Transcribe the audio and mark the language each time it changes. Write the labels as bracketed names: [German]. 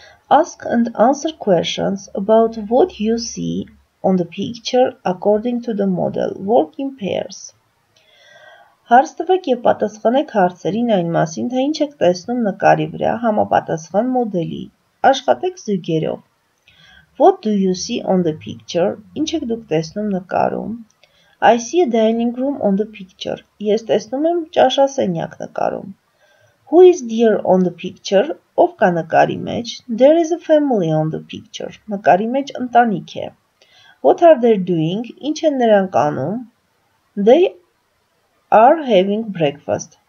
[English] Ask and answer questions about what you see on the picture according to the model. Work in pairs. [Armenian] Հարց տվեք և պատասխանեք հարցերին այն մասին, թե ինչ եք տեսնում նկարի վրա համապատասխան մոդելի։ Աշխատեք զույգերով. [English] What do you see on the picture? [Armenian] Ինչ եք դուք տեսնում նկարում? [English] I see a dining room on the picture. [Armenian] Ես տեսնում եմ ճաշասենյակ նկարում. [English] Who is there on the picture? [Armenian] Ով կա նկարի մեջ? [English] There is a family on the picture. [Armenian] Նկարի մեջ ընտանիք է. [English] What are they doing? [Armenian] Ինչ են նրանք անում? [English] They are having breakfast.